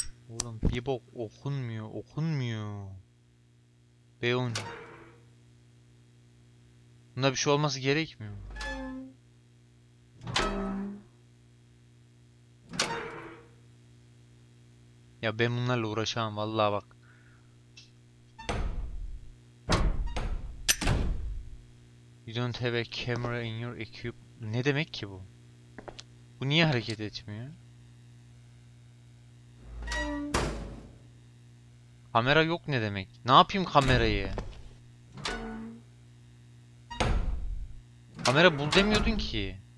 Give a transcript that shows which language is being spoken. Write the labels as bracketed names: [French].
[Turkish] Oğlum bir bok okunmuyor. Okunmuyor. B10. Bunda bir şey olması gerekmiyor mu? Ya ben bunlarla uğraşamam vallahi bak. [English] You don't have a camera in your equip. [Turkish] Ne demek ki bu? Bu niye hareket etmiyor? Kamera yok ne demek? Ne yapayım kamerayı? Kamera bul demiyordun ki.